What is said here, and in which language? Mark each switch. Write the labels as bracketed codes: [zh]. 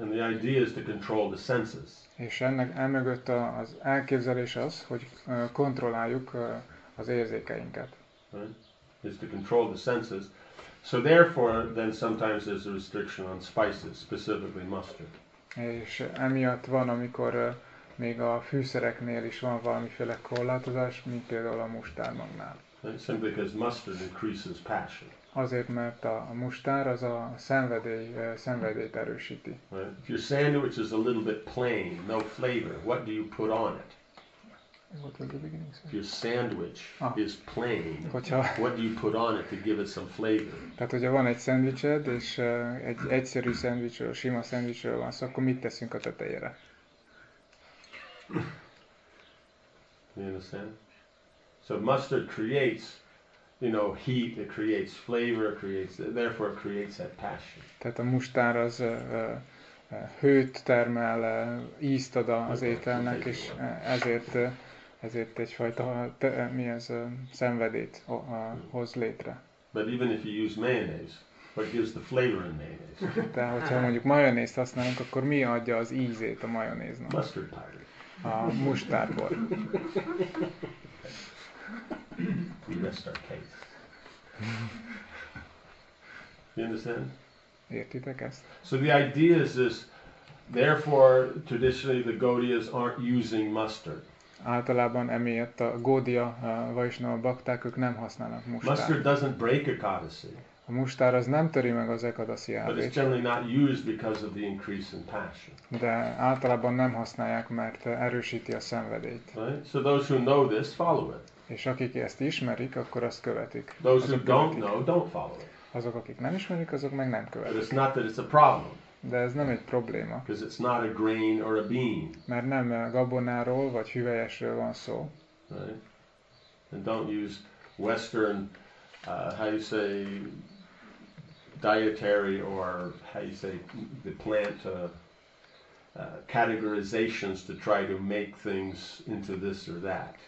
[en] And the idea is to control the senses. [hu] És ennek emögött az elképzelés az, hogy kontrolláljuk az érzékeinket. [en] Right? Is to control the senses. So therefore, then sometimes there's a restriction on spices, specifically mustard. [hu] És emiatt van, amikor még a fűszereknél is van valamiféle korlátozás, mint például a mustármagnál. [en] Right? Simply because mustard increases passion. [hu] Azért, mert a mustár az a szenvedélyt erősíti. [en] Right. If your sandwich is a little bit plain, no flavor, what do you put on it? What was the beginning? If your sandwich is plain, what do you put on it to give it some flavor? [hu] Tehát, hogyha van egy szendvicsed, és egy egyszerű szendvicsről, sima szendvicsről van, szó, akkor mit teszünk a tetejére? [en] You understand? So mustard creates, you know, heat, it creates flavor, it creates, therefore it creates that passion. [hu] Tehát a mustár az hőt termel, ízt ad az ételnek, és ezért egyfajta, mi ez, szenvedélyt hoz létre. [en] But even if you use mayonnaise, what gives the flavor in mayonnaise? [hu] De hogyha mondjuk majonézt használunk, akkor mi adja az ízét a majonéznak? [en] Mustard powder. [hu] A mustárból. [en] We missed our case. You understand? [hu] Értitek ezt? [en] So the idea is this, therefore, traditionally the Gaudiyas aren't using mustard. [hu] Általában emiatt a Gaudiya Vaishnava bakták, ők nem használnak mustárt. [en] Mustard doesn't break ekadasi. [hu] A mustár az nem töri meg az ekadasi elvét. [en] But it's generally not used because of the increase in passion. [hu] De általában nem használják, mert erősíti a szenvedélyt. [en] Right? So those who know this, follow it. [hu] És akik ezt ismerik, akkor azt követik. [en] Those who don't know, don't follow it. [hu] Azok, akik nem ismerik, azok meg nem követik. [en] But it's not that it's a problem. [hu] De ez nem egy probléma. [en] Because it's not a grain or a bean. [hu] Mert nem gabonáról vagy hüvelyesről van szó. [en] Right. And don't use Western, how you say, dietary or how you say the plant categorizations to try to make things into this or that.